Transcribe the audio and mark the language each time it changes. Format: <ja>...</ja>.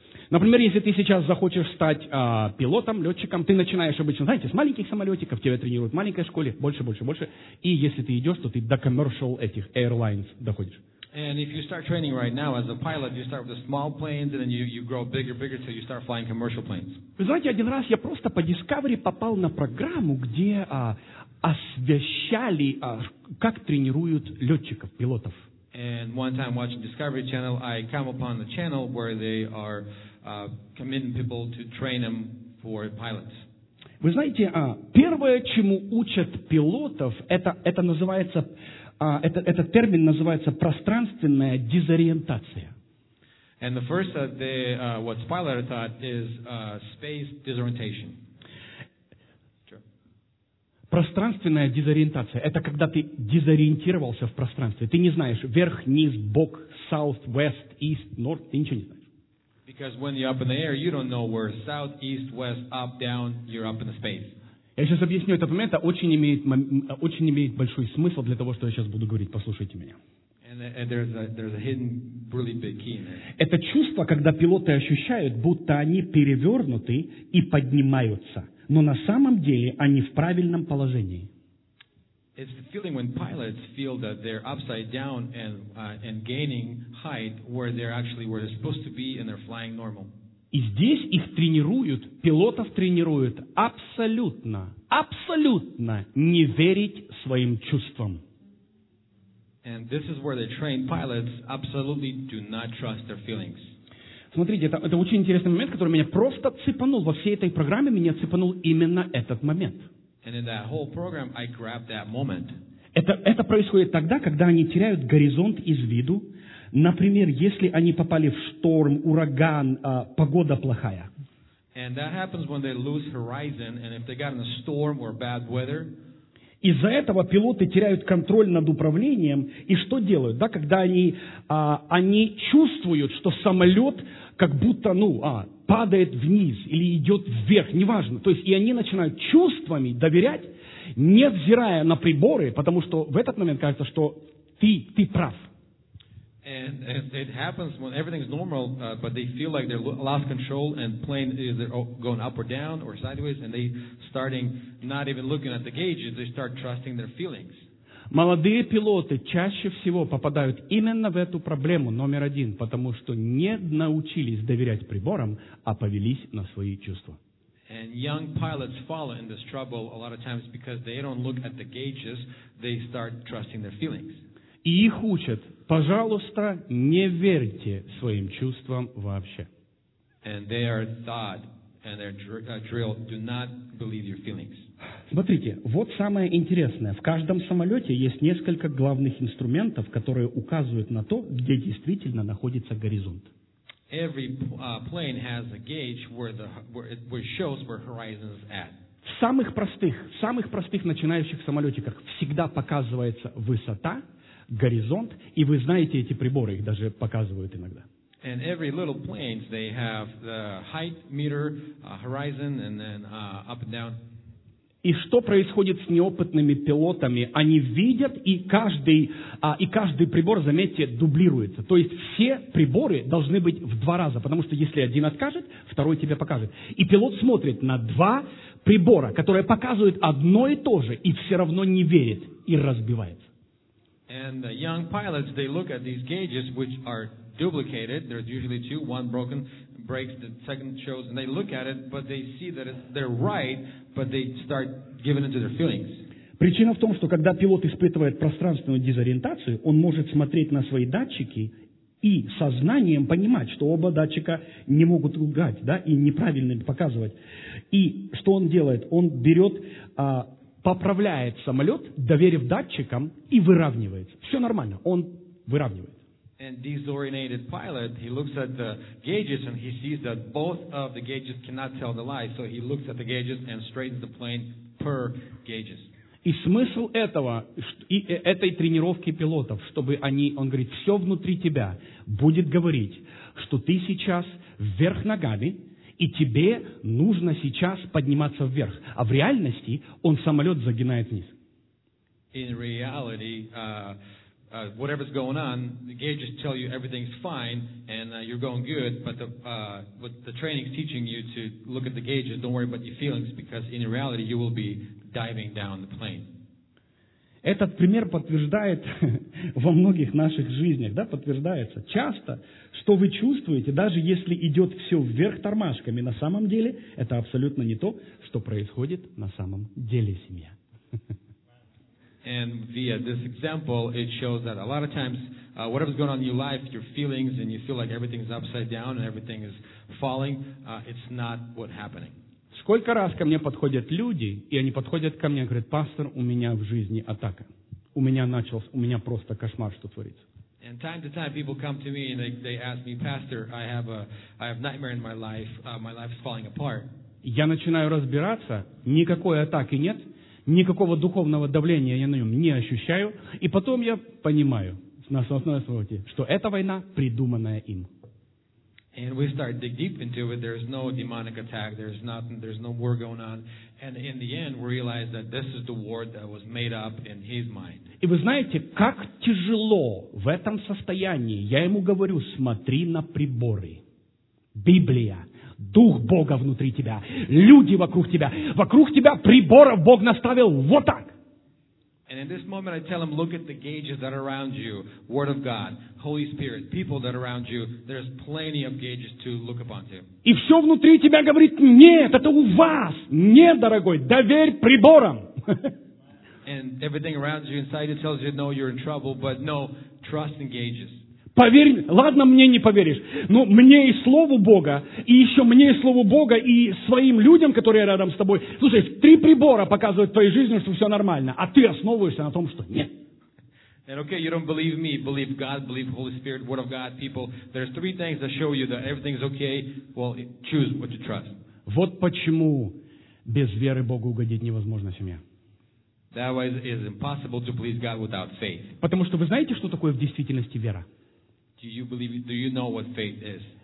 <ru>Например, если ты сейчас захочешь стать пилотом, летчиком, ты начинаешь обычно, знаете, с маленьких самолетиков, тебя тренируют в маленькой школе, больше, больше, больше. И если ты идешь, то ты до</ru> <en>commercial</en> <ru>этих</ru> <en>airlines</en> <ru>доходишь.</ru> <en>And if you start training right now as a pilot, you start with the small planes, and then you grow bigger, bigger, till you start flying commercial planes.</en> <ru>Вы знаете, один раз я просто по Discovery попал на программу, где освещали, как тренируют летчиков, пилотов.</ru> <en>And one time watching Discovery Channel, I come upon the channel where they are committing people to train them for pilots.</en> <ru>Вы знаете, первое, чему учат пилотов, это называется... Этот термин называется пространственная дезориентация.</ru> <en>And the first what Spiler taught is space disorientation. Sure.</en> <ru>Пространственная дезориентация – это когда ты дезориентировался в пространстве. Ты не знаешь вверх, низ, бок,</ru> <en>south, west, east, north.</en> <ru>Ты ничего не знаешь.</ru> <en>Because when you're up in the air, you don't know where south, east, west, up, down. You're up in the space.</en> <ru>Я сейчас объясню этот момент, это очень имеет большой смысл для того, что я сейчас буду говорить. Послушайте меня.</ru> <en>There's a hidden, really big key in there.</en> <ru>Это чувство, когда пилоты ощущают, будто они перевернуты и поднимаются, но на самом деле они в правильном положении.</ru> <en>It's the feeling when pilots feel that they're upside down and gaining height where they're actually where they're supposed to be and they're flying normal.</en> <ru>И здесь их тренируют, пилотов тренируют абсолютно, абсолютно не верить своим чувствам.</ru> <en>And this is where they train pilots absolutely do not trust their feelings.</en> <ru>Смотрите, это очень интересный момент, который меня просто цепанул. Во всей этой программе меня цепанул именно этот момент.</ru> <en>And in that whole program, I grabbed that moment.</en> <ru>Это происходит тогда, когда они теряют горизонт из виду. Например, если они попали в шторм, ураган, погода плохая.</ru> <en>And that happens when they lose horizon, and if they got in a storm or bad weather.</en> <ru>Из-за этого пилоты теряют контроль над управлением, и что делают, да, когда они чувствуют, что самолет как будто, падает вниз или идет вверх, неважно. То есть, и они начинают чувствами доверять, невзирая на приборы, потому что в этот момент кажется, что ты прав.</ru> <en>And it happens when everything's normal, but they feel like they lost control and plane is going up or down or sideways, and they starting not even looking at the gauges, they start trusting their feelings.</en> <ru>Молодые пилоты чаще всего попадают именно в эту проблему номер один, потому что не научились доверять приборам, а повелись на свои чувства.</ru> <en>And young pilots fall in this trouble a lot of times because they don't look at the gauges, they start trusting their feelings.</en> <ru>И их учат, пожалуйста, не верьте своим чувствам вообще.</ru> <en>And they are taught, and they're drilled, do not believe your feelings.</en> <ru>Смотрите, вот самое интересное. В каждом самолете есть несколько главных инструментов, которые указывают на то, где действительно находится горизонт.</ru> <en>Every plane has a gauge where it shows where horizon is at.</en> <ru>В самых простых начинающих самолетиках всегда показывается высота, горизонт, и вы знаете эти приборы, их даже показывают иногда.</ru> <en>And every little plane, they have the height meter, horizon, and then up and down.</en> <ru>И что происходит с неопытными пилотами? Они видят, и каждый прибор, заметьте, дублируется. То есть все приборы должны быть в два раза, потому что если один откажет, второй тебе покажет. И пилот смотрит на два прибора, которые показывают одно и то же, и все равно не верит, и разбивается.</ru> <en>And the young pilots, they look at these gauges, which are duplicated. There's usually two, one broken, breaks, the second shows, and they look at it, but they see that they're right, but they start giving into their feelings.</en> <ru>Причина в том, что когда пилот испытывает пространственную дезориентацию, он может смотреть на свои датчики и сознанием понимать, что оба датчика не могут лгать, да, и неправильно показывать. И что он делает? Он берет... поправляет самолет, доверив датчикам, и выравнивается. Все нормально, он выравнивает.</ru> <en>And disoriented pilot, he looks at the gauges and he sees that both of the gauges cannot tell the lie, so he looks at the gauges and straightens the plane per gauges.</en> <ru>И смысл этого, и этой тренировки пилотов, чтобы они, он говорит, все внутри тебя будет говорить, что ты сейчас вверх ногами, и тебе нужно сейчас подниматься вверх. А в реальности он самолет загинает вниз.</ru> <en>In reality, whatever's going on, the gauges tell you everything's fine and you're going good, but the training's teaching you to look at the gauges, don't worry about your feelings, because in reality you will be diving down the plane.</en> <ru>Этот пример подтверждает во многих наших жизнях, да, подтверждается часто, что вы чувствуете, даже если идет все вверх тормашками, на самом деле это абсолютно не то, что происходит на самом деле, семья.</ru> <en>And via this example, it shows that a lot of times, whatever's going on in your life, your feelings, and you feel like everything's upside down and everything is falling, it's not what's happening.</en> <ru>Сколько раз ко мне подходят люди, и они подходят ко мне и говорят: «Пастор, у меня в жизни атака. У меня начался, у меня просто кошмар, что творится».</ru> <en>And time to time people come to me and they ask me: «Pastor, I have nightmare in my life. My life is falling apart».</en> <ru>Я начинаю разбираться, никакой атаки нет, никакого духовного давления я на нем не ощущаю, и потом я понимаю, на основе своего тела, что эта война придуманная им.</ru> <en>And we start dig deep into it. There's no demonic attack. There's nothing. There's no war going on. And in the end, we realize that this is the war that was made up in his mind.</en> <ru>И вы знаете, как тяжело в этом состоянии. Я ему говорю: смотри на приборы. Библия. Дух Бога внутри тебя. Люди вокруг тебя. Вокруг тебя приборов Бог наставил вот так.</ru> <en>And in this moment, I tell him, look at the gauges that are around you, Word of God, Holy Spirit, people that are around you, there's plenty of gauges to look upon to.</en> <ru>И все внутри тебя говорит: нет, это у вас. Нет, дорогой, доверь приборам.</ru> <en>And everything around you, inside you, tells you, no, you're in trouble, but no, trust in gauges.</en> <ru>Поверь, ладно, мне не поверишь, но мне и Слову Бога, и еще мне и Слову Бога, и своим людям, которые рядом с тобой. Слушай, три прибора показывают твоей жизни, что все нормально, а ты основываешься на том, что нет.</ru> <en>And okay, you don't believe me, believe God, believe Holy Spirit, Word of God, people. There's three things that show you that everything's okay. Well, choose what you trust.</en> <ru>Вот почему без веры Богу угодить невозможно, семья.</ru> <en>That is impossible to please God without faith.</en> <ru>Потому что вы знаете, что такое в действительности вера?</ru> <en>Do you know what faith is?</en>